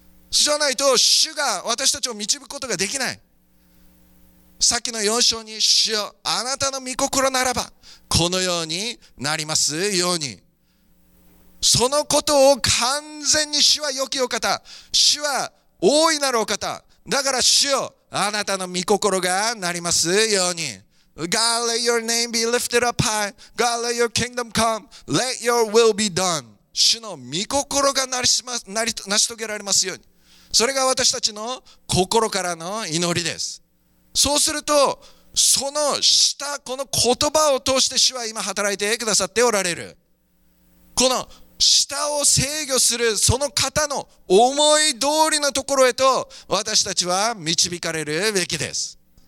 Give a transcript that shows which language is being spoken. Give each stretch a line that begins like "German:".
Japanese: じゃないと主が私たちを導くことができない。さっきの4章に、主よ、あなたの御心ならばこのようになりますように、そのことを完全に主は良きお方、主は大いなるお方、だから主よ、あなたの御心がなりますように。
English: God, let your name be lifted up high. God, let your kingdom come. Let your will be done.
Japanese: 主の御心が成し遂げられますように。それが私たちの心からの祈りです。そうすると、その下、この言葉を通して主は今働いてくださっておられる。この舌を制御するその方の思い通りのところへと私たちは導かれるべきです。